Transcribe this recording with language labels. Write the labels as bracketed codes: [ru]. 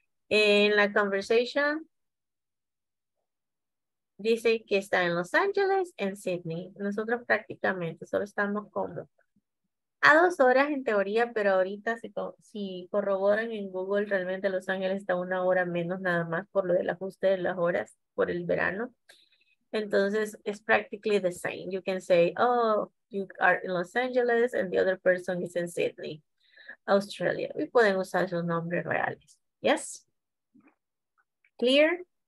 [es] En la conversation dice que está en Los Ángeles, en Sydney. Nosotros prácticamente solo estamos como a 2 horas en teoría, pero ahorita si corroboran en Google, realmente Los Ángeles está 1 hora menos nada más por lo del ajuste de las horas por el verano. [en] Entonces, it's practically the same. You can say, oh, you are in Los Angeles and the other person is in Sydney, Australia. [es] Y pueden usar sus nombres reales. [en] Yes? Clear?